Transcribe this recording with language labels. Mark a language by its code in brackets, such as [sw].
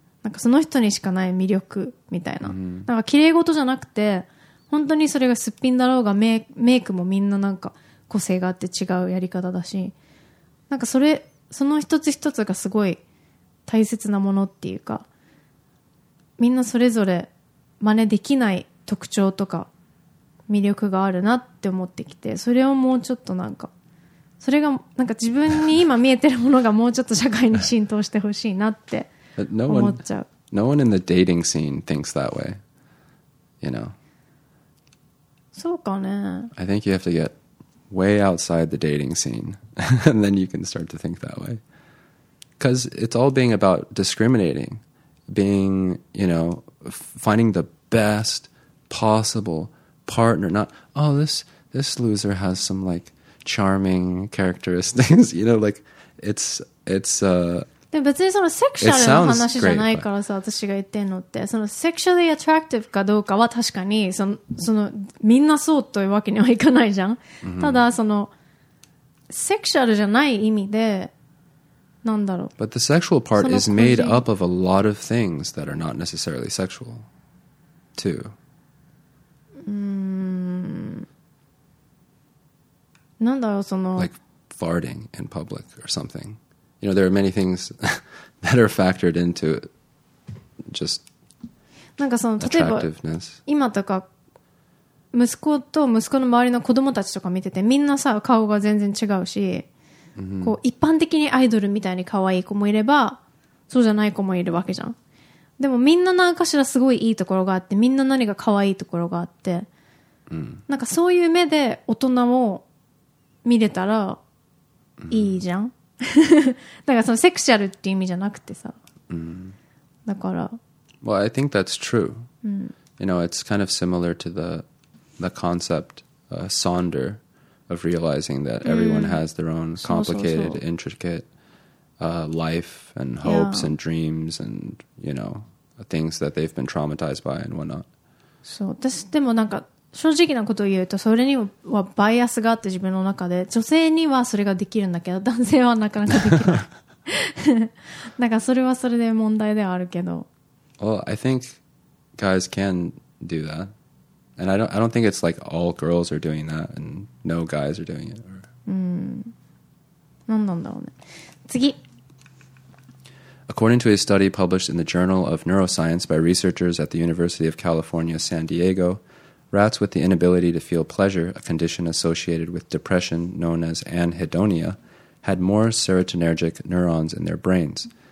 [ja] なんかその人にしかない魅力みたいな。なんか綺麗事じゃなくて、本当にそれがすっぴんだろうが、メイクもみんななんか個性があって違うやり方だし、なんかその一つ一つがすごい大切なものっていうか、みんなそれぞれ真似できない特徴とか魅力があるなって思ってきて、それをもうちょっとなんか、それがなんか自分に今見えてるものがもうちょっと社会に浸透してほしいなって。 [en] But no one in the dating scene thinks that way, you know. [ja] そうかね。 [en] I think you have to get way outside the dating scene, and then you can start to think that way. Because it's all being about discriminating, being, you know, finding the best possible partner. Not, oh, this loser has some like charming characteristics, you know, like it's. [ja] でも別にそのセクシャルの話じゃないからさ、私が言ってんのって、そのセクシャルアトラクティブかどうかは確かに、そのみんなそうというわけにはいかないじゃん。ただ、その、セクシャルじゃない意味で、なんだろう。 [en] But the sexual part is made up of a lot of things that are not necessarily sexual, too. [ja] うん。なんだろう、その。 [en] Like farting in public or something. You know, there are many things that are factored into just attractiveness. [ja] なんかその、例えば、今とか、息子と息子の周りの子供たちとか見ててみんなさ顔が全然違うし、 mm-hmm. こう一般的にアイドルみたいに可愛い子もいればそうじゃない子もいるわけじゃん。でもみんな何かしらすごいいいところがあってみんな何か可愛いところがあって、 mm-hmm. なんかそういう目で大人を見れたらいいじゃん、mm-hmm. なんかそのセクシャルっていう意味じゃなくてさ、 mm-hmm. だから [en] Well, I think that's true、mm-hmm. You know, it's kind of similar to the concept, Sonder, of realizing that everyone has their own complicated, intricate life and hopes、yeah. and dreams and, you know, things that they've been traumatized by and whatnot. [ja] そう、私でもなんか正直なことを言うとそれにはバイアスがあって自分の中で女性にはそれができるんだけど男性はなかなかできない。なんかそれはそれで問題ではあるけど。 [en] Well, I think guys can do that. And I don't think it's like all girls are doing that and no guys are doing it. [ja] なんだろうね。次。 [en] According to a study published in the Journal of Neuroscience by researchers at the University of California, San Diego, rats with the inability to feel pleasure, a condition associated with depression known as anhedonia, had more serotonergic neurons in their brains.